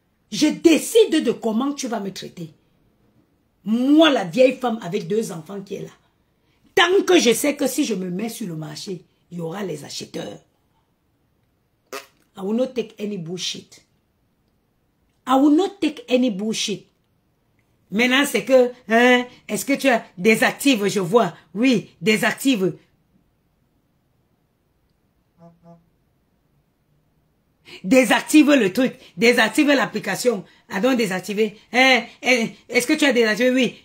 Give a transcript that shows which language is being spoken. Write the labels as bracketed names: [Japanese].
[French] Je décide de comment tu vas me traiter. Moi, la vieille femme avec 2 enfants qui est là. Tant que je sais que si je me mets sur le marché, il y aura les acheteurs. [English] I will not take any bullshit. I will not take any bullshit. [French] Maintenant, c'est que, hein, est-ce que tu as des actives, je vois. Oui, des actives. Désactive le truc, désactive l'application. Allons désactiver. Est-ce que tu as désactivé? Oui.